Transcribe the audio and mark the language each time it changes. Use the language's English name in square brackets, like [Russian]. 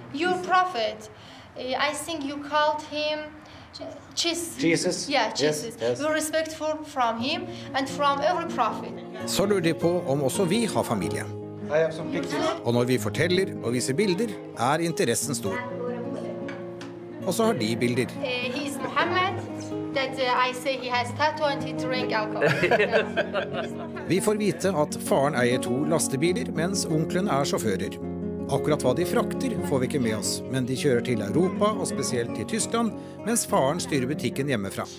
[English] Your prophet, I think you called him Jesus. Yeah, Jesus. Yes. Be respectful from him and from every prophet. [Norwegian] Så lurer de på om også vi har familie. Og når vi forteller og viser bilder, er interessen stor. Og så har de bilder. [English] He's Mohammed. That I say he has tattoo and he drink alcohol. [Norwegian] Vi får vite at faren eier to lastebiler, mens onklen er sjåfører. Akkurat hva de frakter får vi ikke med oss, men de kjører til Europa og spesielt til Tyskland, mens faren styrer butikken hjemmefra.